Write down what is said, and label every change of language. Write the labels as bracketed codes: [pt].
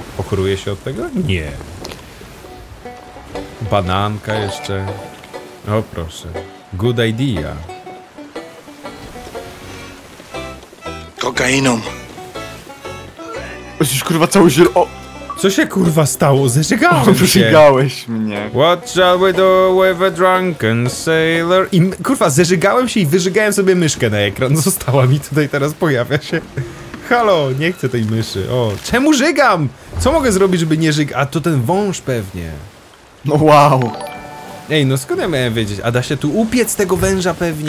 [pl] Pochoruję się od tego? Nie. Bananka jeszcze. O proszę. [en] Good idea. [pl] Kokainą. Musisz kurwa cały zielony. O! Co się kurwa stało? Zeżegałem się! Zeżegałeś mnie. [en] What shall we do with a drunken sailor? [pl] I kurwa, zeżegałem się i wyżegałem sobie myszkę na ekran. Została mi tutaj, teraz pojawia się. Halo, nie chcę tej myszy. O, czemu żygam? Co mogę zrobić, żeby nie żyg... A to ten wąż pewnie. No wow. Ej, no skąd ja miałem wiedzieć? A da się tu upiec tego węża pewnie?